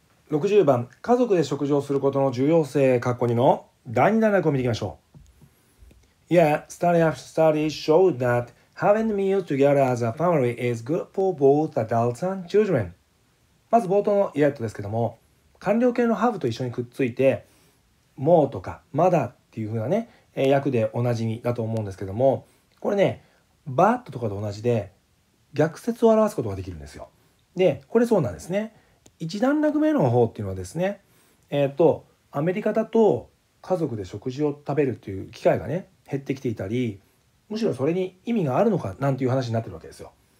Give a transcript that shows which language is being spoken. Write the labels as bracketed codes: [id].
[ja] 60番家族で食事をすることの重要性括弧2の第2段落を見ていきましょう。 [en] Yeah, study after study showed that having a meal together as a family is good for both adults and children. [ja] まず冒頭の yet ですけども、完了形の have と一緒にくっついてもうとかまだっていう風なね訳でおなじみだと思うんですけども、これね but とかと同じで逆説を表すことができるんですよ。でこれそうなんですね。一段落目の方っていうのはですね、アメリカだと家族で食事を食べるっていう機会がね減ってきていたり、むしろそれに意味があるのかなんていう話になってるわけですよ。